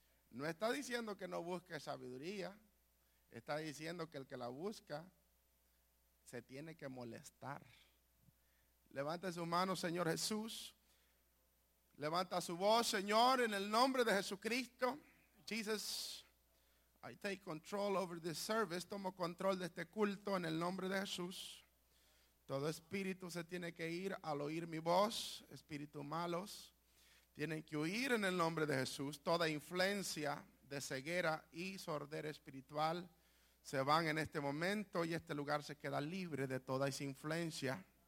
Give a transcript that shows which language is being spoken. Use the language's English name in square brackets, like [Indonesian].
[Spanish] No está diciendo que no busque sabiduría. Está diciendo que el que la busca se tiene que molestar. Levanta su mano, Señor Jesús. Levanta su voz, Señor, en el nombre de Jesucristo. [English] Jesus, I take control over this service. [Spanish] Tomo control de este culto en el nombre de Jesús. Todo espíritu se tiene que ir al oír mi voz. Espíritus malos tienen que huir en el nombre de Jesús. Toda influencia de ceguera y sordera espiritual se van en este momento y este lugar se queda libre de toda esa influencia.